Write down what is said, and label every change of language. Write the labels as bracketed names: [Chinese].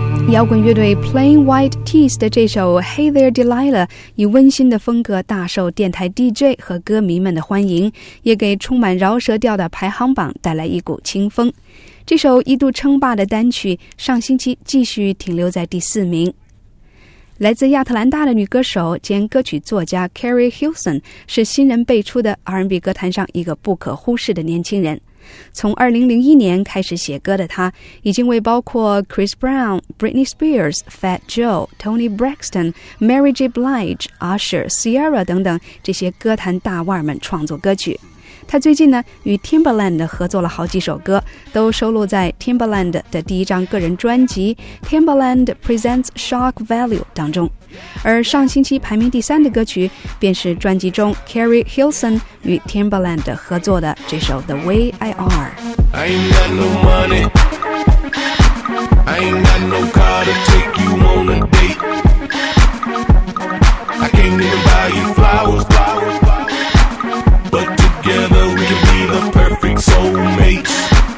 [Chinese] 摇滚乐队 Plain White Tees 的这首 Hey There Delilah 以温馨的风格大受电台 DJ 和歌迷们的欢迎，也给充满饶舌调的排行榜带来一股清风。这首一度称霸的单曲上星期继续停留在第四名。来自亚特兰大的女歌手兼歌曲作家 Carrie Hilson 是新人辈出的 R&B 歌坛上一个不可忽视的年轻人。从2001年开始写歌的他，已经为包括 Chris Brown、 Britney Spears、 Fat Joe、 Tony Braxton、 Mary J. Blige、 Usher、 Ciara 等等这些歌坛大腕们创作歌曲。他最近呢与 Timbaland 合作了好几首歌，都收录在 Timbaland 的第一张个人专辑 Timbaland Presents Shock Value 当中。而上星期排名第三的歌曲便是专辑中 Carrie Hilson 与 Timbaland 合作的这首 The Way I Are。 [English] I ain't got no money, I ain't got no car to take you on a date, I can't even buy you flowers, flowers, flowers, butTogether we can be the perfect soulmates.